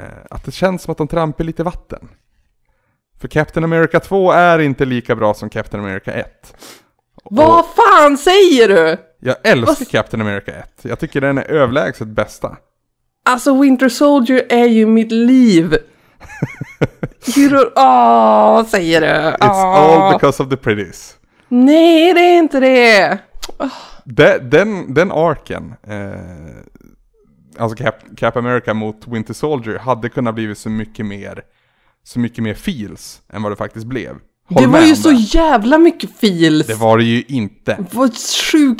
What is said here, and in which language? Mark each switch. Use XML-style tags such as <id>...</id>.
<sv>Att det känns som att de trampar lite vatten. För Captain America 2 är inte lika bra som Captain America 1. Vad och fan säger du? Jag älskar Captain America 1. Jag tycker den är överlägset bästa. Alltså Winter Soldier är ju mitt liv. vad säger du?</sv> <en>It's all because of the pretties.</en> <sv>Nej, det är inte det. Den arken, alltså Cap America mot Winter Soldier, hade kunnat bli så mycket mer feels än vad det faktiskt blev. Håll, det var ju så jävla mycket feels. Det var det ju inte. Det var sjukt.</sv>